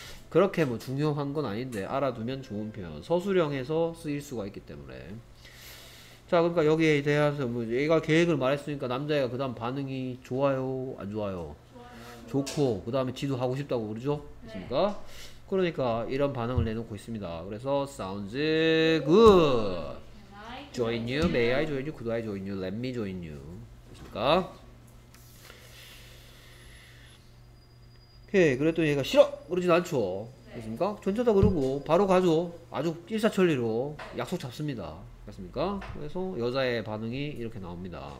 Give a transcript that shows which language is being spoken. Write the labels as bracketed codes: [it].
[ko] 그렇게 뭐 중요한 건 아닌데 알아두면 좋은 표현. 서술형에서 쓰일 수가 있기 때문에. 자, 그러니까 여기에 대해서 뭐 얘가 계획을 말했으니까 남자애가 그다음 반응이 좋아요, 안 좋아요? 좋고, 그 다음에 지도 하고 싶다고 그러죠? 있습니까? 그러니까 이런 반응을 내놓고 있습니다. 그래서, [en] sounds good. Join you, may I join you, could I join you, let me join you. [ko] 있습니까? 오케이, 그랬더니 얘가 싫어! 그러진 않죠? 있습니까? 괜찮다 그러고, 바로 가죠. 아주 일사천리로 약속 잡습니다. 맞습니까? 그래서 여자의 반응이 이렇게 나옵니다.